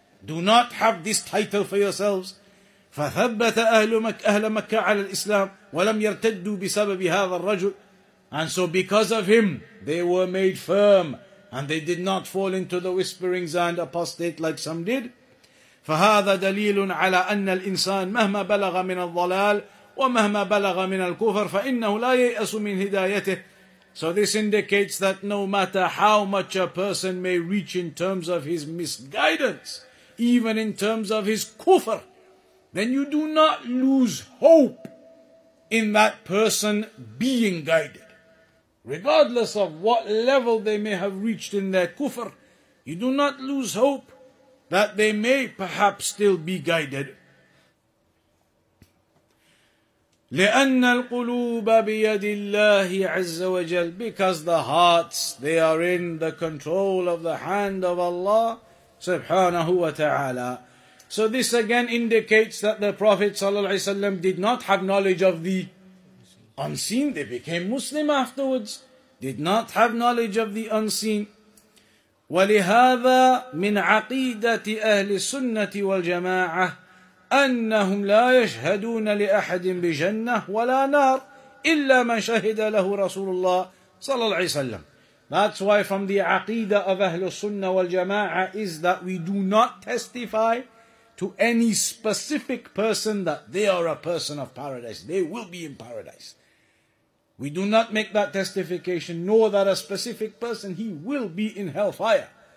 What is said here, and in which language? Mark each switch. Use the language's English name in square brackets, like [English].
[English] Do not have this title for yourselves. [Arabic] فَثَبَّتَ أَهْلَ مَكَّةَ عَلَى الْإِسْلَامِ وَلَمْ يَرْتَدُّوا بِسَبَبِ هَذَا الرَّجُلِ. [English] And so because of him, they were made firm and they did not fall into the whisperings and apostate like some did. [Arabic] فهذا دليل على أن الإنسان مهما بلغ من الضلال ومهما بلغ من الكفر فإنه لا ييأس من هدايته. [English] So this indicates that no matter how much a person may reach in terms of his misguidance, even in terms of his kufr, then you do not lose hope in that person being guided. Regardless of what level they may have reached in their kufr, you do not lose hope that they may perhaps still be guided. [Arabic] لِأَنَّ الْقُلُوبَ بِيَدِ اللَّهِ عَزَّ وَجَلْ. [English] Because the hearts, they are in the control of the hand of Allah subhanahu wa ta'ala. So this again indicates that the Prophet sallallahu alayhi wa sallam did not have knowledge of the unseen. They became Muslim afterwards. Did not have knowledge of the unseen. [Arabic] ولهذا من عقيدة أهل السنة والجماعة أنهم لا يشهدون لأحد بجنة ولا نار إلا من شهد له رسول الله صلى الله عليه وسلم. [English] That's why from the عقيدة of أهل السنة والجماعة is that we do not testify to any specific person that they are a person of paradise. They will be in paradise. We do not make that testification, nor that a specific person, he will be in hellfire.